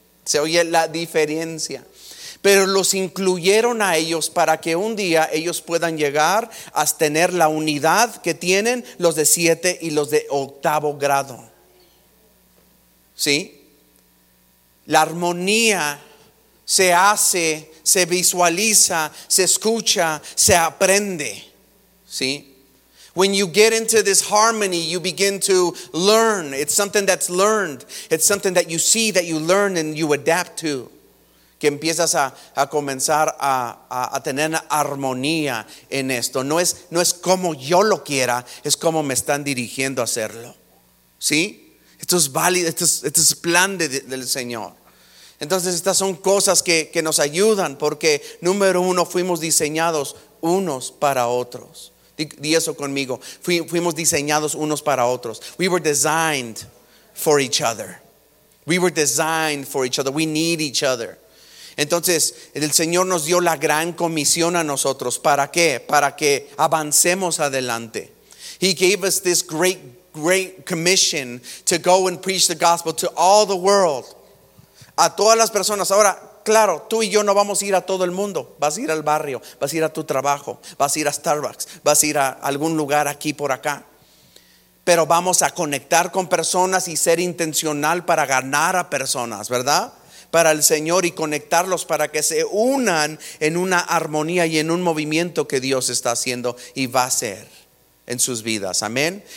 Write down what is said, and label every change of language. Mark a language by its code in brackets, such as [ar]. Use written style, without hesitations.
[es] Se oye la diferencia. Pero los incluyeron a ellos para que un día ellos puedan llegar a tener la unidad que tienen los de 7 y los de octavo grado. ¿Sí? La armonía se hace, se visualiza, se escucha, se aprende. ¿Sí? [en] When you get into this harmony, you begin to learn. It's something that's learned. It's something that you see, that you learn and you adapt to. [es] Que empiezas a comenzar a tener armonía en esto. No es como yo lo quiera, es como me están dirigiendo a hacerlo. ¿Sí? Esto es válido, esto es plan del Señor. Entonces estas son cosas que nos ayudan, porque número uno, fuimos diseñados unos para otros. Di eso conmigo. Fuimos diseñados unos para otros. [en] We were designed for each other. We were designed for each other. We need each other. [es] Entonces el Señor nos dio la gran comisión a nosotros. ¿Para qué? Para que avancemos adelante. [en] He gave us this great, great commission to go and preach the gospel to all the world. [es] A todas las personas. Ahora, claro, tú y yo no vamos a ir a todo el mundo. Vas a ir al barrio, vas a ir a tu trabajo, vas a ir a Starbucks, vas a ir a algún lugar aquí por acá. Pero vamos a conectar con personas y ser intencional para ganar a personas, ¿verdad? Para el Señor, y conectarlos para que se unan en una armonía y en un movimiento que Dios está haciendo y va a hacer en sus vidas. Amén.